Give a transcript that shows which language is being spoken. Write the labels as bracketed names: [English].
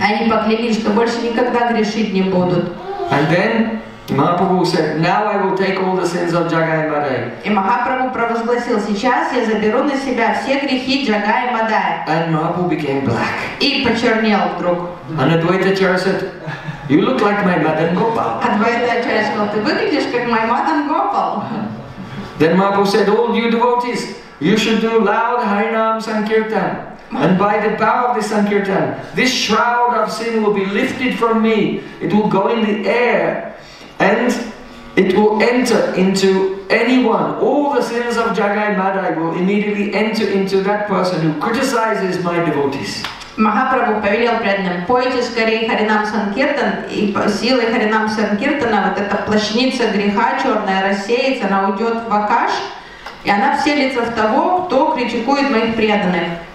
[Russian] Они поклялись, что больше никогда грешить не будут. [English] And then Mahaprabhu said, now I will take all the sins of Jagai Madai. [Russian] И Махапрабху провозгласил, сейчас я заберу на себя все грехи Jagai Madai. [English] And Mahaprabhu became black. [Russian] И почернел вдруг. [English] And Advaita Acharya said, you look like my Madan Gopal. [Russian] Advaita Acharya сказал, ты выглядишь как мой Madan Gopal. [English] Then Mahaprabhu said, all you devotees, you should do loud Harinam Sankirtan. And by the power of the Sankirtan, this shroud of sin will be lifted from me. It will go in the air. And it will enter into anyone. All the sins of Jagai Madai will immediately enter into that person who criticizes my devotees. [Russian] Махапрабху повелел преданным, пойте скорее Харинам Санкиртан, и силой Харинам Санкиртана вот эта плащаница греха черная рассеется, она уйдет в Акаш, и она вселится в того, кто критикует моих преданных.